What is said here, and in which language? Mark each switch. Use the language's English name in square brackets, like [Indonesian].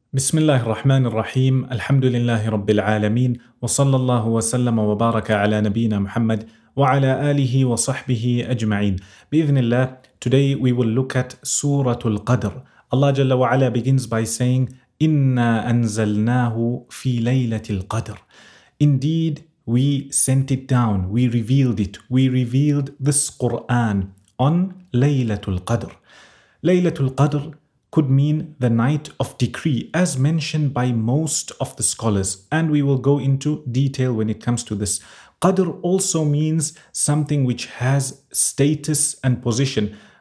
[Arabic] بسم الله الرحمن الرحيم الحمد لله رب العالمين وصلى الله وسلم وبارك على نبينا محمد وعلى آله وصحبه أجمعين بإذن الله. [English] Today we will look at سورة القدر. [Arabic] Allah جل وعلا [English] begins by saying [Arabic] إنا أنزلناه في ليلة القدر. [English] Indeed, we sent it down, we revealed it, we revealed this Quran on ليلة القدر. ليلة القدر could mean the night of decree, as mentioned by most of the scholars. And we will go into detail when it comes to this. Qadr also means something which has status and position.